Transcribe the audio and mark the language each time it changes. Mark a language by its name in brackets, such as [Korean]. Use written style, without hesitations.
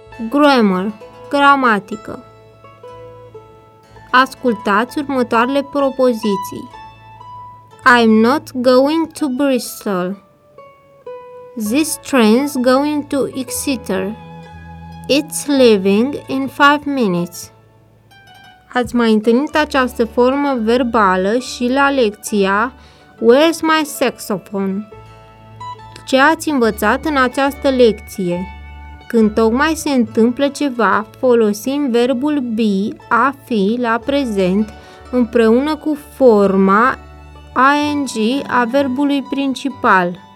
[Romanian] Grammar, gramatică. Ascultați următoarele propoziții. [English] I'm not going to Bristol. This train's going to Exeter. It's leaving in 5 minutes. [Romanian] Ați mai întâlnit această formă verbală și la lecția [English] Where's my saxophone? [Romanian] Ce ați învățat în această lecție? Când tocmai se întâmplă ceva, folosim verbul be, a fi, la prezent, împreună cu forma ing a verbului principal.